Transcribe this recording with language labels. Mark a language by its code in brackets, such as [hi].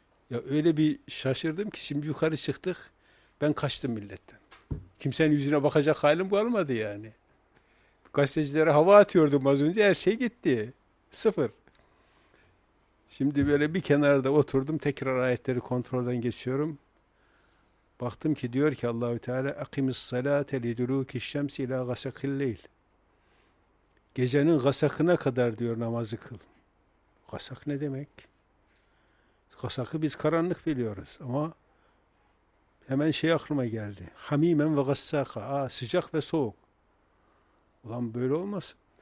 [tr] Ya öyle bir şaşırdım ki şimdi yukarı çıktık. Ben kaçtım milletten. Kimsenin yüzüne bakacak halim kalmadı yani. Gazetecilere hava atıyordum az önce. Her şey gitti. Sıfır. Şimdi böyle bir kenarda oturdum. Tekrar ayetleri kontrolden geçiyorum. Baktım ki diyor ki Allahü Teala [ar] اَقِمِ الصَّلَاةَ لِدُلُوكِ الشَّمْسِ اِلَى غَسَقِ اللَّيْلِ. [tr] Gecenin gasakına kadar diyor namazı kıl. Gasak ne demek? Gasakı biz karanlık biliyoruz ama hemen şey aklıma geldi. Hamimen ve gassaka. Aa, sıcak ve soğuk. Ulan böyle olmaz.